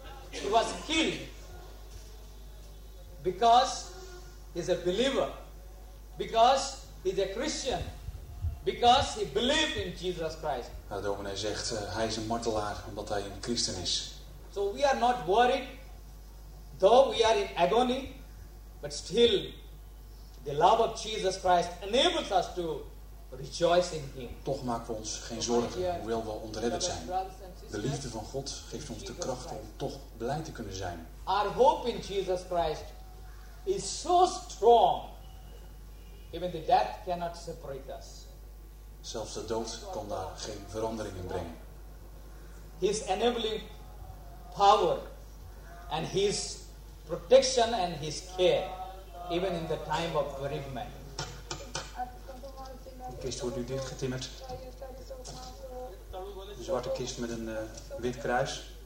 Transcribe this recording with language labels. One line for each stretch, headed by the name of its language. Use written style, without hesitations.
English: He was killed because he's a believer, because he's a Christian, because he believed in Jesus Christ.
Dutch: De dominee zegt, hij is een martelaar omdat hij een christen is.
English: So we are not worried, though we are in agony, but still the love of Jesus Christ enables us to rejoice in him.
Dutch: Toch maken we ons geen zorgen, hoewel we ontredderd zijn. De liefde van God geeft ons de kracht om toch blij te kunnen zijn.
English: Our hope in Jesus Christ is so strong, even the death cannot separate us.
Dutch: Zelfs de dood kan daar geen verandering in brengen.
English: His enabling power and his protection and his care, even in the time of bereavement.
Dutch: De kist wordt nu dichtgetimmerd. Een zwarte kist met een wit kruis.